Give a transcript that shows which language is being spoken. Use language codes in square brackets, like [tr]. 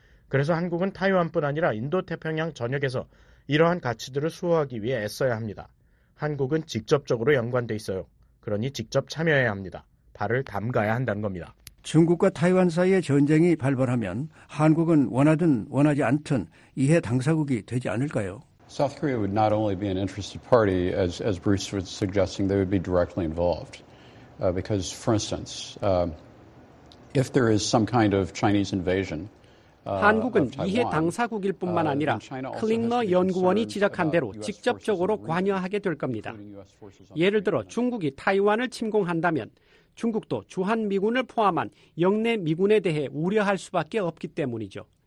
[ko] 그래서 한국은 타이완뿐 아니라 인도태평양 전역에서 이러한 가치들을 수호하기 위해 애써야 합니다. 한국은 직접적으로 연관돼 있어요. 그러니 직접 참여해야 합니다. 발을 담가야 한다는 겁니다. 중국과 타이완 사이의 전쟁이 발발하면 한국은 원하든 원하지 않든 이해 당사국이 되지 않을까요? [en] South Korea would not only be an interested party, as Bruce was suggesting, they would be directly involved. Because, for instance, if there is some kind of Chinese invasion, [ko] 한국은 이해 당사국일 뿐만 아니라 클링너 연구원이 지적한 대로 직접적으로 관여하게 될 겁니다. 예를 들어 중국이 타이완을 침공한다면 중국도 주한미군을 포함한 영내 미군에 대해 우려할 수밖에 없기 때문이죠.